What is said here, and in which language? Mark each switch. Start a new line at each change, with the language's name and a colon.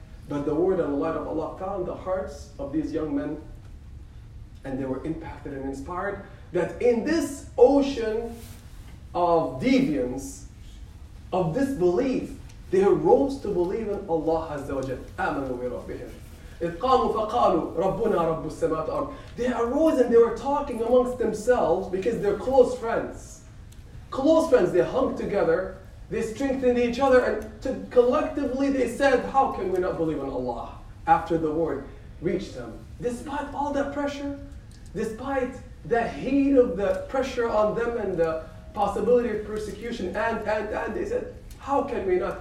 English: But the word and the light of Allah found the hearts of these young men, and they were impacted and inspired that in this ocean of deviance, of disbelief, they arose to believe in Allah Azza wa Jal.
Arabic: آمنوا بربهم. إذ قاموا فقالوا ربنا رب السماوات والأرض.
English: They arose and they were talking amongst themselves because they're close friends. Close friends, they hung together, they strengthened each other, and collectively they said, how can we not believe in Allah? After the word reached them. Despite all that pressure, despite the heat of the pressure on them and the possibility of persecution, and they said, how can we not?